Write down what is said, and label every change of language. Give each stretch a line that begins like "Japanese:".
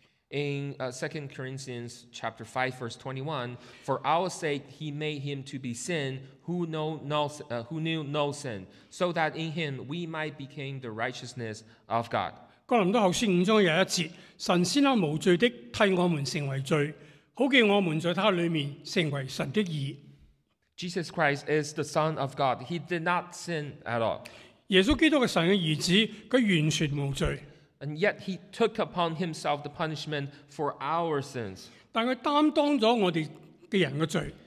English: in 2 Corinthians chapter 5, verse 21, for our sake he made him to be sin who knew no sin, so that in him we might become the righteousness of God.
Chinese: 哥林多后书五章有一节，神先向无罪的替我们成为罪，好叫我们在他里面成为神的义。
English: Jesus Christ is the Son of God. He did not sin at all.
Chinese: 耶稣基督的神的儿子，他完全无罪。
English: And yet he took upon himself the punishment for our sins.
Chinese: 但他担当了我们的人的罪。